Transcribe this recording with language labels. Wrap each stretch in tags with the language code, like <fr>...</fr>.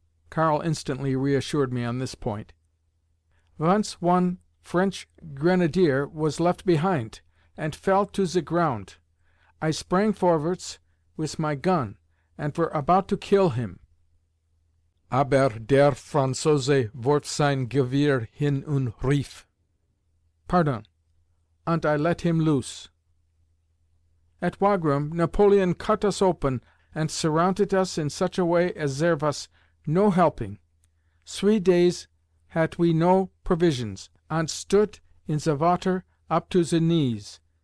<en>Karl instantly reassured me on this point. Once one French grenadier was left behind, and fell to the ground. I sprang forwards with my gun, and were about to kill him.</en> <de>Aber der Franzose wirft sein Gewehr hin und rief.</de> <en>Pardon, and I let him loose. At Wagram, Napoleon cut us open, and surrounded us in such a way as there was no helping. 3 days had we no provisions, and stood in the water up to the knees.</en>